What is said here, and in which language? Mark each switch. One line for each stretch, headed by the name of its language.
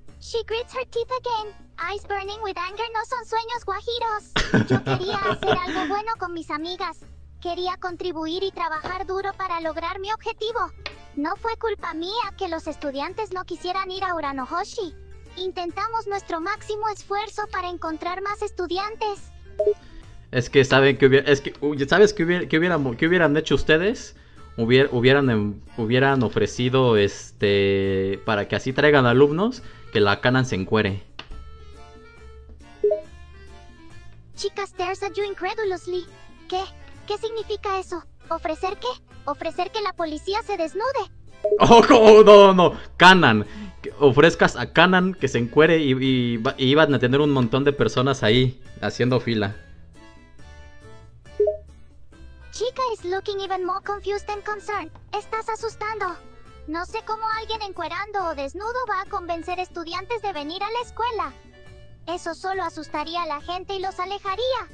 English: She grits her teeth again, eyes burning with anger.
Spanish: No son sueños guajiros. Yo quería hacer algo bueno con mis amigas. Quería contribuir y trabajar duro para lograr mi objetivo. No fue culpa mía que los estudiantes no quisieran ir a Uranohoshi. Intentamos nuestro máximo esfuerzo para encontrar más estudiantes. Es que saben que hubiera, es que sabes que hubiera, que hubieran hecho ustedes, hubieran ofrecido para que así traigan alumnos, que la Kanan se encuere.
English: Chica stares at you incredulously.
Spanish: ¿Qué? ¿Qué significa eso? ¿Ofrecer qué? ¿Ofrecer que la policía se desnude? Oh, no, no, Kanan. Ofrezcas a Kanan que se encuere y iban a tener un montón de personas ahí haciendo fila.
English: Chica is looking even more confused and concerned.
Spanish: Estás asustando. No sé cómo alguien encuerando o desnudo va a convencer estudiantes de venir a la escuela. Eso solo asustaría a la gente y los alejaría.